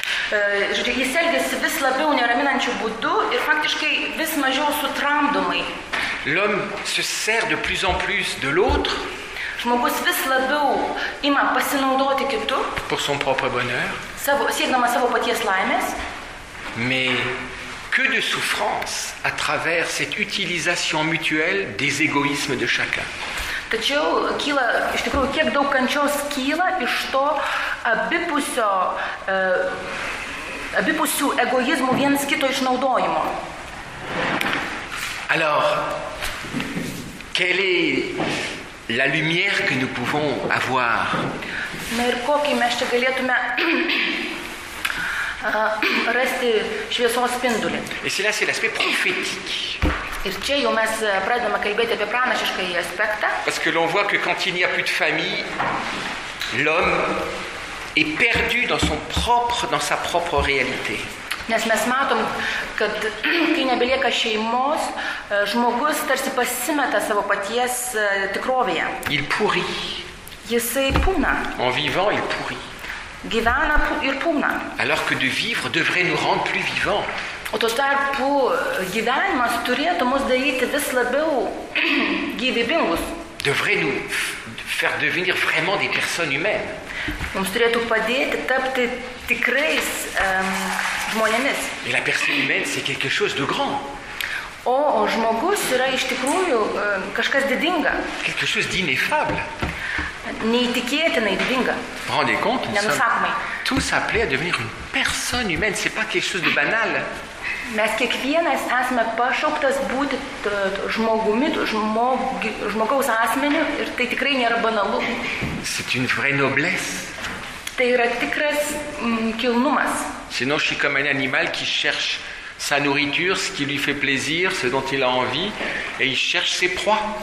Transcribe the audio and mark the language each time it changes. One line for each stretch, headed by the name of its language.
Lithuanian: žodžiu, jis elgėsi vis labiau neraminančių būdų ir faktiškai vis mažiau sutramdomai.
French: L'homme se sert de plus en plus de l'autre.
Lithuanian: Žmogus vis labiau ima pasinaudoti kitu.
French: Pour son propre bonheur.
Lithuanian: Siekdamas savo paties laimės.
French: Mais que de souffrance à travers cette utilisation mutuelle des égoïsmes de chacun.
Lithuanian: Tačiau kyla, iš tikrųjų, kiek daug kančios kyla iš to abipusių egoizmų vienas kito išnaudojimo.
French: Alors, quelle est la lumière que nous pouvons avoir?
Lithuanian: Na ir kokį mes čia galėtume rasti šviesos spindulį.
French: Et cela, c'est l'aspect prophétique.
Lithuanian: Ir čia jau mes pradedame kalbėti apie pranašiškąjį aspektą.
French: Parce que l'on voit que quand il n'y a plus de famille, l'homme est perdu dans sa propre réalité.
Lithuanian: Nes mes matom, kad kai nebelieka šeimos, žmogus tarsi pasimeta savo paties tikrovėje.
French: Il pourrit.
Lithuanian: Jisai pūna.
French: En vivant, il pourrit.
Lithuanian: Gyvena ir pūna.
French: Alors que de vivre devrait nous rendre plus vivants.
Lithuanian: O tuo tarpu gyvenimas turėtų mus daryti vis labiau gyvybingus.
French: Devrait nous faire devenir vraiment des personnes humaines.
Lithuanian: Mums turėtų padėti tapti tikrais žmonėmis.
French: Et la personne humaine, c'est quelque chose de grand.
Lithuanian: O žmogus yra iš tikrųjų kažkas didinga.
French: Quelque chose d'ineffable.
Lithuanian: Neįtikėtinai didinga.
French: Rendez compte, nous sommes tous appelés à devenir une personne humaine. C'est pas quelque chose de banal.
Lithuanian: Mes kiekvienas esame pašauktas būti žmogumi, žmogaus asmeniu ir tai tikrai nėra banalu.
French: C'est une vraie noblesse.
Lithuanian: Tai yra tikras kilnumas.
French: Sinon, je suis comme un animal qui cherche sa nourriture, ce qui lui fait plaisir, ce dont il a envie, et il cherche ses proies.